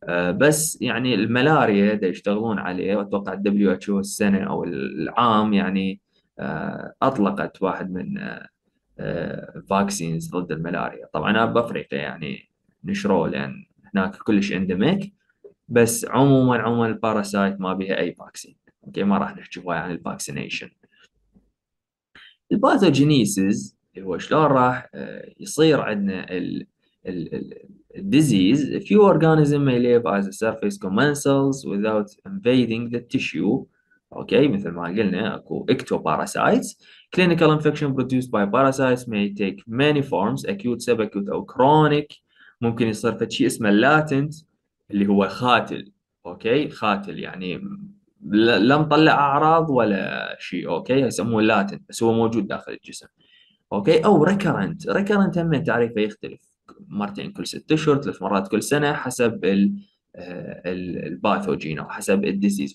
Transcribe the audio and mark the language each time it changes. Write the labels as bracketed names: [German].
[Arabic] بس يعني الملاريا ده يشتغلون عليه، واتوقع الدبليو اتش او السنه او العام يعني اطلقت واحد من فاكسينز ضد الملاريا، طبعا انا بافريقيا يعني نشروه لان هناك كلش اندميك، بس عموما الباراسايت ما بيها اي فاكسين اوكي. ما راح نحكي هواي عن الفاكسينيشن. الباثوجينيسيز هو شلون راح يصير عندنا الديزيز. [English] A few organisms may live as a surface commensals without invading the tissue. [Arabic] اوكي مثل ما قلنا اكو اكتوباراسايتس. [English] Clinical infection produced by parasites may take many forms, acute, subacute أو chronic. [Arabic] ممكن يصير في شيء اسمه latent اللي هو خاتل، أوكي خاتل يعني لم طلع أعراض ولا شيء أوكي، يسموه latent بس هو موجود داخل الجسم أوكي، أو recurrent. recurrent هم تعريفه يختلف، مرتين كل 6 أشهر، 3 مرات كل سنة حسب الباثوجين أو حسب الديزيز.